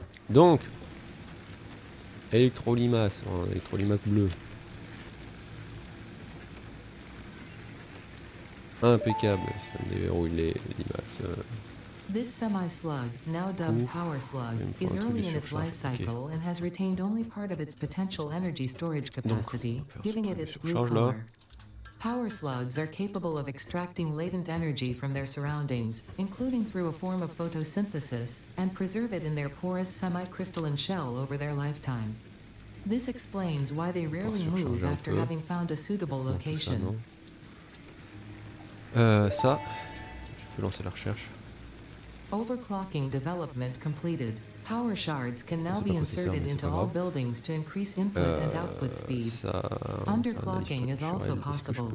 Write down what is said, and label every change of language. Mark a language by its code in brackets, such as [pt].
[fr] Donc, électrolimace, hein, électrolimace bleu. Impeccable, ça me déverrouille les limaces. [en] This semi-slug, now dubbed Power Slug, is early in its life cycle and has retained only part of its potential energy storage capacity, giving it its blue color. Power Slugs are capable of extracting latent energy from their surroundings, including through a form of photosynthesis, and preserve it in their porous semi-crystalline shell over their lifetime. This explains why they rarely move after having found a suitable location. [fr] Ça, je peux lancer la recherche. [en] Overclocking development completed. Power shards can now be inserted into all buildings to increase input and output speed. Underclocking is also possible.